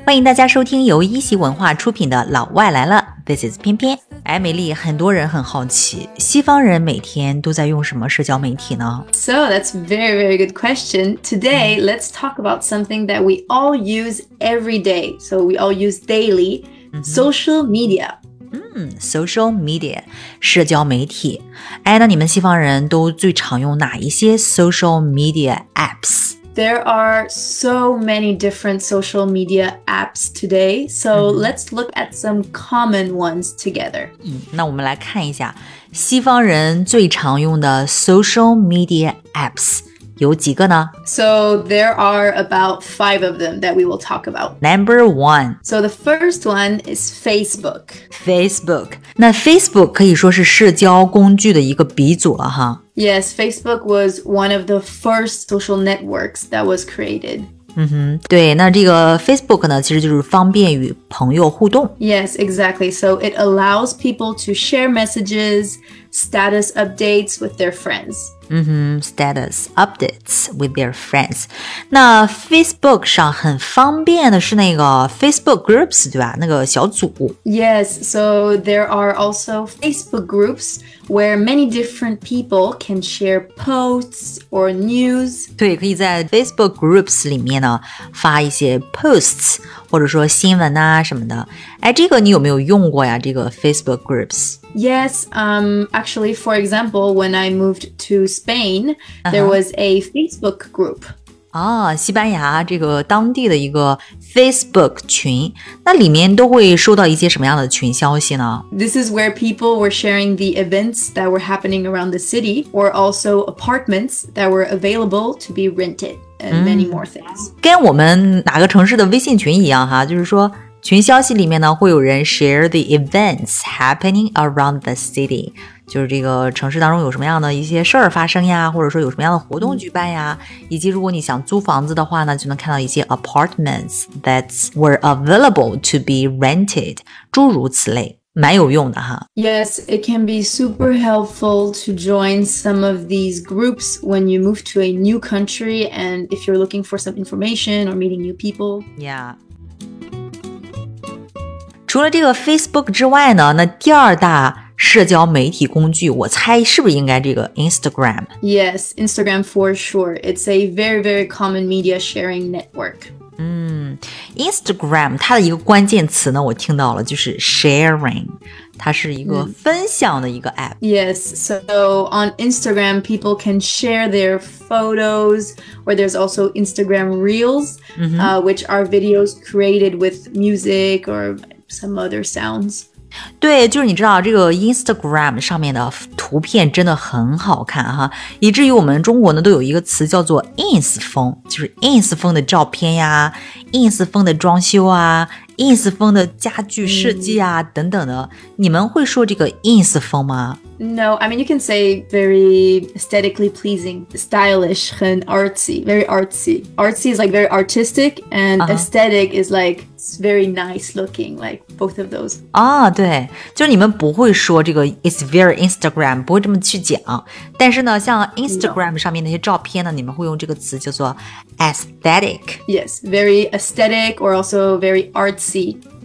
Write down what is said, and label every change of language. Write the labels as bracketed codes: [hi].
[zh] 欢迎大家收听由一席文化出品的《老外来了》。 [en] This is 翩翩。 [zh] 哎，美丽，很多人很好奇，西方人每天都在用什么社交媒体呢？ [en] So that's a very, very good question. Today, let's talk about something that we all use every day. So we all use daily. Social media. [zh] Social media, 社交媒体。哎，那你们西方人都最常用哪一些 social media apps? [en] There are so many different social media apps today, so let's look at some common ones together. [zh] 那我们来看一下西方人最常用的 social media apps有几个呢? [en] So there are about 5 of them that we will talk about. Number 1. So the first one is Facebook. Facebook. [zh] 那 Facebook 可以说是社交工具的一个鼻祖了哈。 [en] Yes, Facebook was one of the first social networks that was created. [zh] 对，那这个 Facebook 呢，其实就是方便与朋友互动。 [en] Yes, exactly. So it allows people to share messages, status updates with their friends. Status updates with their friends. [zh] 那 Facebook 上很方便的是那个 Facebook groups, 对吧？那个小组。 [en] Yes, so there are also Facebook groups where many different people can share posts or news. [zh] 对，可以在 Facebook groups 里面呢发一些 posts 或者说新闻啊什么的。哎，这个你有没有用过呀？这个 Facebook groups? [en] Yes, actually, for example, when I moved to Spain, there was a Facebook group. [zh] 啊，西班牙这个当地的一个 Facebook 群，那里面都会收到一些什么样的群消息呢? [en] This is where people were sharing the events that were happening around the city, or also apartments that were available to be rented, and many more things. [zh] 跟我们哪个城市的微信群一样哈，就是说群消息里面呢会有人 [en] share the events happening around the city, [zh] 就是这个城市当中有什么样的一些事儿发生呀，或者说有什么样的活动举办呀，以及如果你想租房子的话呢，就能看到一些 [en] apartments that were available to be rented, [zh] 诸如此类，蛮有用的哈。 [en] Yes, it can be super helpful to join some of these groups when you move to a new country and if you're looking for some information or meeting new people. Yeah. [zh] 除了这个 Facebook 之外呢，那第二大社交媒体工具，我猜是不是应该这个 Instagram? [en] Yes, Instagram for sure. It's a very, very common media sharing network. [zh] Instagram 它的一个关键词呢，我听到了，就是 sharing. 它是一个分享的一个 app. [en] Yes, so on Instagram, people can share their photos, or there's also Instagram Reels, which are videos created with music or... Some other sounds. [zh] 对，就是你知道这个 Instagram 上面的图片真的很好看哈，以至于我们中国呢都有一个词叫做 ins 风，就是 ins 风的照片呀， ins 风的装修啊， ins 风的家具设计啊等等的。你们会说这个 ins 风吗？ [en] No, I mean you can say very aesthetically pleasing, stylish, 很 artsy, very artsy. Artsy is like very artistic, and aesthetic is like. It's very nice looking, like both of those. [zh] 啊，对，就是你们不会说这个 [en] it's very Instagram, [zh] 不会这么去讲。但是呢，像 Instagram 上面那些照片呢，你们会用这个词叫做 aesthetic. [en] Yes, very aesthetic or also very artsy.